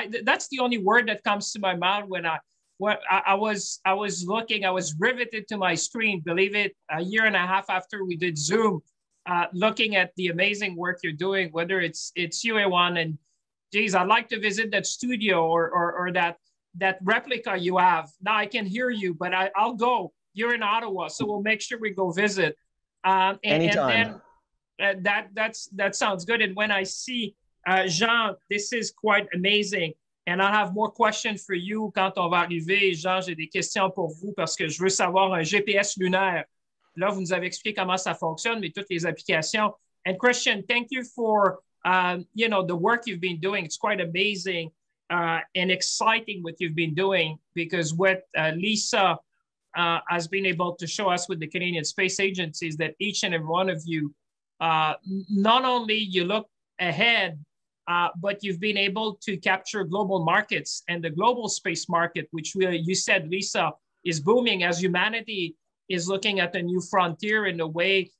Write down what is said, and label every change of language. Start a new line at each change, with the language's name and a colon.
English: That's the only word that comes to my mouth when I was looking, I was riveted to my screen, believe it, a year and a half after we did Zoom, looking at the amazing work you're doing, whether it's UA1 and geez, I'd like to visit that studio or that replica you have. Now I can hear you, but I'll go. You're in Ottawa, so we'll make sure we go visit. Anytime. And then, that sounds good. And when I see Jean, this is quite amazing. And I have more questions for you
French: quand on va arriver. Jean, j'ai des questions pour vous parce que je veux savoir un GPS lunaire. Là, vous nous avez expliqué comment ça fonctionne, mais toutes les applications.
English: And Christian, thank you for the work you've been doing. It's quite amazing and exciting what you've been doing, because what Lisa has been able to show us with the Canadian Space Agency is that each and every one of you, not only you look ahead, but you've been able to capture global markets and the global space market, which you said, Lisa, is booming as humanity is looking at a new frontier in a way.